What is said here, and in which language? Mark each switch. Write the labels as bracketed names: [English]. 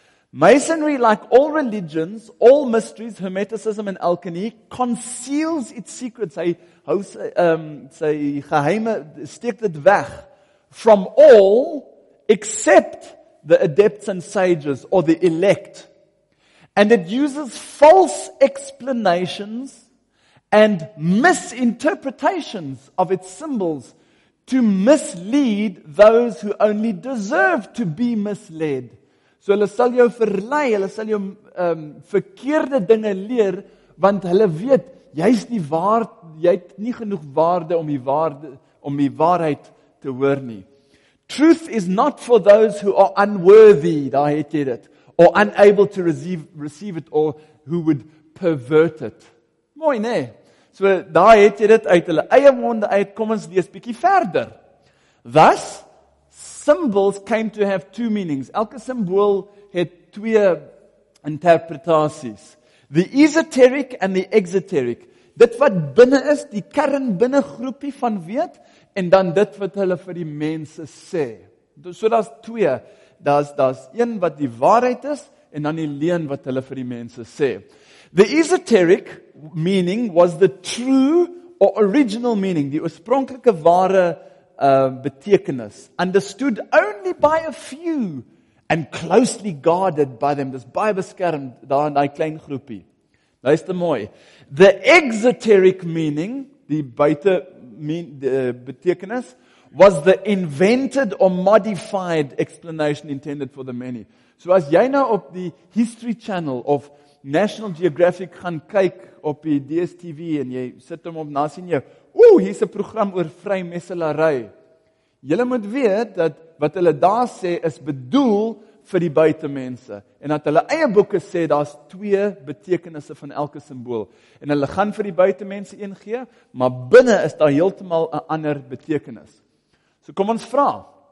[English] "Masonry, like all religions, all mysteries, hermeticism and alchemy, conceals its secrets," [Afrikaans] hy hou sy geheime, steek dit weg, [English] "from all except the adepts and sages or the elect. And it uses false explanations and misinterpretations of its symbols to mislead those who only deserve to be misled." [Afrikaans] So hulle sal jou verlei, hulle sal jou verkeerde dinge leer, want hulle weet, jy het nie genoeg waarde om die waarheid te hoor nie. [English] "Truth is not for those who are unworthy," [Afrikaans] daar het jy dit, [English] "or unable to receive it, or who would pervert it." [Afrikaans] Mooi, nee. So daar het jy dit uit hulle eie monde uit, kom ons lees bietjie verder. [English] "Thus, symbols came to have 2 meanings." [Afrikaans] Elke simbool het 2 interpretaties. [English] "The esoteric and the exoteric." [Afrikaans] Dit wat binne is, die kern binne groepie van weet, en dan dit wat hulle vir die mense sê. So daar's 2. Daar's 1 wat die waarheid is, en dan die leuen wat hulle vir die mense sê. [English] "The esoteric meaning was the true or original meaning." [Afrikaans] Die oorspronklike ware betekenis. [English] Understood only by a few and closely guarded by them. [Afrikaans] Dis baie beskermd daar in die klein groepie. Luister mooi. [English] The exoteric meaning, [Afrikaans] die buite betekenis, [English] was the invented or modified explanation intended for the many. [Afrikaans] So as jy nou op die History Channel of National Geographic gaan kyk op die DSTV en jy sit hom op na sien jou, ooh, hier's 'n program oor vrymesselary. Julle moet weet dat wat hulle daar sê is bedoel vir die buitemense en dat hulle eie boeke sê daar's twee betekenisse van elke simbool en hulle gaan vir die buitemense een gee, maar binne is daar heeltemal 'n ander betekenis. So kom ons vra.